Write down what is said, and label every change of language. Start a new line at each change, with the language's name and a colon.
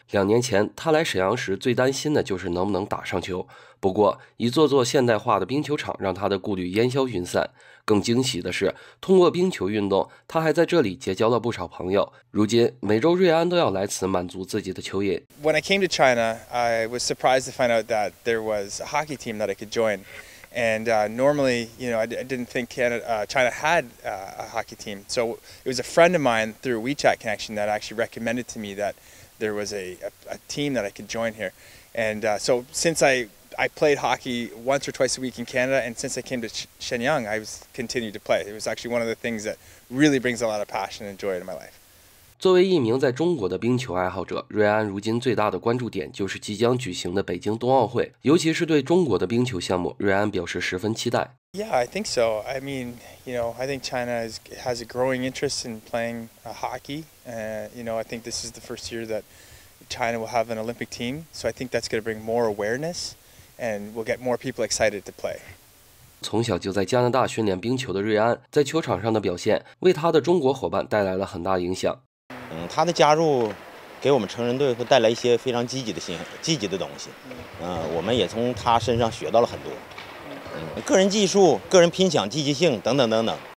Chinese: 2年前，他来沈阳时最担心的就是能不能打上球。不过，一座座现代化的冰球场让他的顾虑烟消云散。更惊喜的是，通过冰球运动，他还在这里结交了不少朋友。如今，每周瑞安都要来此满足自己的球瘾。
English: When I came to China, I was surprised to find out that there was a hockey team that I could join. And normally, you know, I didn't think China had a hockey team. So it was a friend of mine through a WeChat connection that actually recommended to me that there was a team that I could join here. And so since I played hockey once or twice a week in Canada, and since I came to Shenyang, I was continued to play. It was actually one of the things that really brings a lot of passion and joy into my life.
Chinese: 作为一名在中国的冰球爱好者，瑞安如今最大的关注点就是即将举行的北京冬奥会，尤其是对中国的冰球项目，瑞安表示十分期待。
English: Yeah, I think so. I mean, you know, I think China has a growing interest in playing hockey. You know, I think this is the first year that China will have an Olympic team. So I think that's going to bring more awareness and we'll get more people excited to play.
Chinese: 从小就在加拿大训练冰球的瑞安，在球场上的表现为他的中国伙伴带来了很大影响。他的加入给我们成人队会带来一些非常积极的信息，积极的东西。我们也从他身上学到了很多，个人技术、个人拼抢、积极性等等等等。